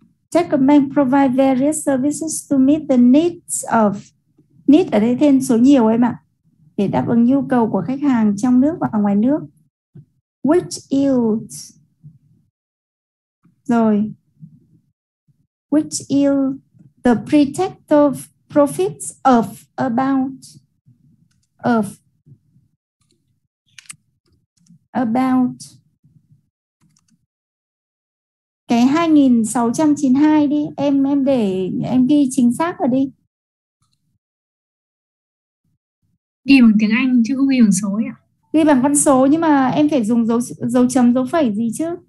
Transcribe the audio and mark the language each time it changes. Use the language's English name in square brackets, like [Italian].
[English] Techcombank provide various services to meet the needs of. [Vietnamese] Need ở đây thêm số nhiều em ạ. Để đáp ứng nhu cầu của khách hàng trong nước và ngoài nước. [English] Which yields. [Vietnamese] Rồi. [English] Which yield the pre-tax of profits of about. [Vietnamese] Cái 2692 đi, em để em ghi chính xác rồi đi. Ghi bằng tiếng Anh chứ không ghi bằng số ấy ạ? Ghi bằng con số nhưng mà em phải dùng dấu chấm, dấu phẩy gì chứ?